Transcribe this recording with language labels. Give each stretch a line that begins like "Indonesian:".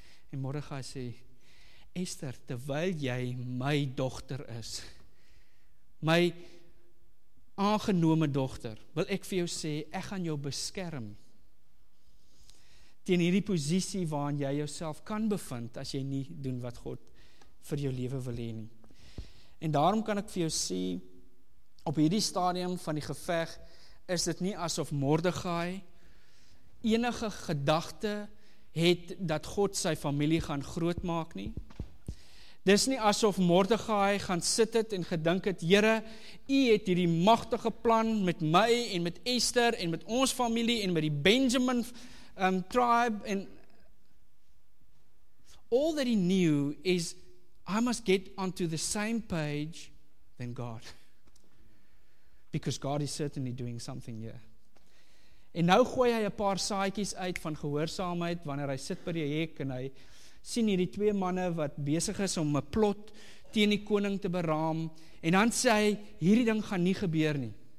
Afrikaans: En Mordegai sê, Esther, terwyl jy my dogter is, my aangenome dogter, wil ek vir jou sê, ek gaan jou beskerm teen hierdie posisie waarin jy jouself kan bevind as jy nie doen wat God vir jou lewe wil hê nie. En daarom kan ek vir jou sê, op hierdie stadium van die geveg, is dit nie asof Mordegai enige gedagte het dat God sy familie gaan groot maak nie. Dis nie asof Mordegai gaan sit het en gedink het, Here, U het hierdie magtige plan met my en met Esther en met ons familie en met die Benjamin tribe.
English: And all that he knew is, I must get onto the same page than God. Because God is certainly doing something here.
Afrikaans: En nou gooi hy 'n paar saaitjies uit van gehoorsaamheid wanneer hy sit by die hek en hy sien hierdie twee manne wat besig is om 'n plot teen die koning te beraam, en dan sê hy, hierdie ding gaan nie gebeur nie.